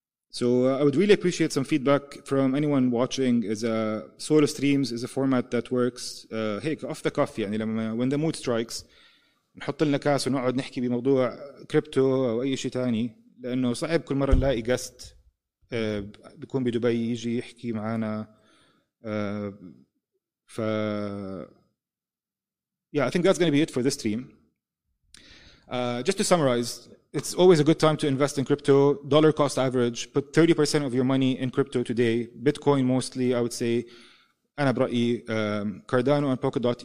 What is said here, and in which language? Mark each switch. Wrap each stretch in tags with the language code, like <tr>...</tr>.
<en>So I would really appreciate some feedback from anyone watching. Is a solo streams is a format that works. Hey, off the cuff,</en> <ar>يعني لما</ar> <en>when the mood strikes,</en> <ar>نحط لنا كاس ونقعد نحكي بموضوع كريبتو أو أي شيء تاني. لأنه صعب كل مرة نلاقي guest بيكون بدبي يجي يحكي معنا.</ar> <en>ف yeah, I think that's going to be it for this stream. Just to summarize, it's always a good time to invest in crypto. Dollar cost average, put 30% of your money in crypto today. Bitcoin mostly, I would say.</en> <ar>أنا برأيي</ar> <en>Cardano and Polkadot.</en>